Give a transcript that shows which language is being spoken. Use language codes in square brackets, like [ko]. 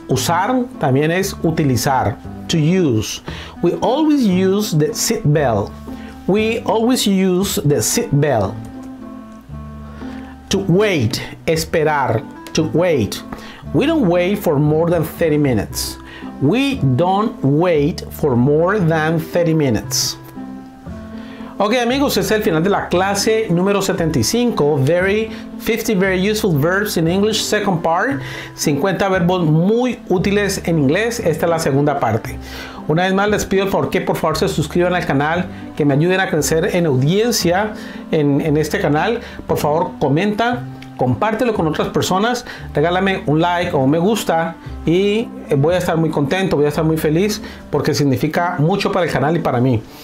[es] Usar también es utilizar. [en] To use. We always use the seat belt. We always use the seat belt. To wait. Esperar. To wait. We don't wait for more than 30 minutes. We don't wait for more than 30 minutes. [es] Okay, amigos, es el final de la clase número 75. [en] Very 50 very useful verbs in English, second part. [es] 50 verbos muy útiles en inglés. Esta es la segunda parte. Una vez más, les pido por favor se suscriban al canal, que me ayuden a crecer en audiencia en este canal. Por favor, comenta, compártelo con otras personas, regálame un like o un me gusta y voy a estar muy contento, voy a estar muy feliz porque significa mucho para el canal y para mí.